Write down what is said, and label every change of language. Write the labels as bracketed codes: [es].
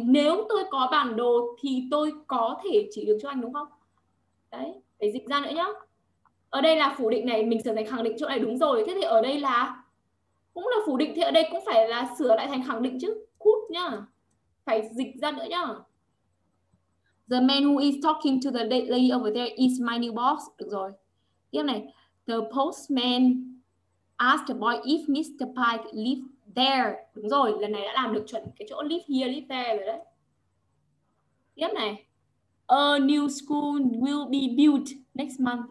[vi] Nếu tôi có bản đồ thì tôi có thể chỉ đường cho anh đúng không? Đấy, phải dịch ra nữa nhá. Ở đây là phủ định này, mình sửa thành khẳng định chỗ này đúng rồi. Thế thì ở đây là cũng là phủ định thì ở đây cũng phải là sửa lại thành khẳng định chứ. Could nhá. Phải dịch ra nữa nhá. [en] The man who is talking to the lady over there is my new boss. [vi] Được rồi. Tiếp này. [en] The postman asked the boy if Mr. Pike lived there. [vi] Đúng rồi, lần này đã làm được chuẩn cái chỗ [en] live here, live there [vi] rồi đấy. Tiếp này. [en] A new school will be built next month.